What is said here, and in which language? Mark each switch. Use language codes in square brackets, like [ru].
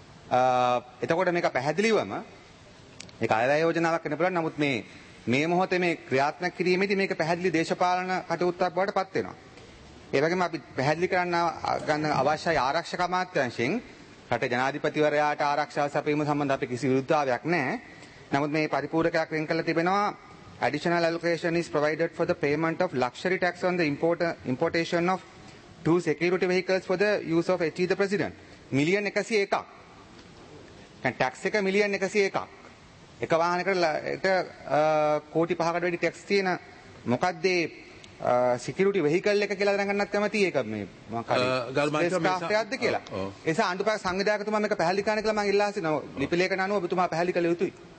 [si] එතකොට මේක පැහැදිලිවම මේක අයවැය යෝජනාවක් වෙන්න පුළුවන්. නමුත් මේ මොහොතේ මේ ක්‍රියාත්මක කිරීමේදී මේක පැහැදිලි දේශපාලන කටයුත්තක් බවට පත් වෙනවා. ඒ වගේම අපි පැහැදිලි කරන්න ගන්න අවශ්‍යයි ආරක්ෂක අමාත්‍යාංශයෙන් රටේ ජනාධිපතිවරයාට ආරක්ෂාව සැපයීම සම්බන්ධ අපි කිසි විරුද්ධතාවයක් නැහැ. නමුත් මේ පරිපූර්ණකයක් වෙන් කළ තිබෙනවා [en] additional allocation is provided for the payment of luxury tax on the importation of two security vehicles for the use of HE the president. [si] Million 101ක්. දැන් tax එක මිලියන් 101ක්. එක වාහනයකට ඒක කෝටි 5කට වැඩි tax තියෙන මොකද්ද මේ security vehicle එක කියලා දැනගන්නත් කැමතියි ඒක මේ මම කලින් staff එකක්ද කියලා එසා ආණ්ඩුපක් සංවිධායකතුමා මේක පැහැදිලි කරන්න කියලා මම ඉල්ලා සිටිනවා ලිපිලේඛන අනුව ඔබතුමා පැහැදිලි කළ යුතුයි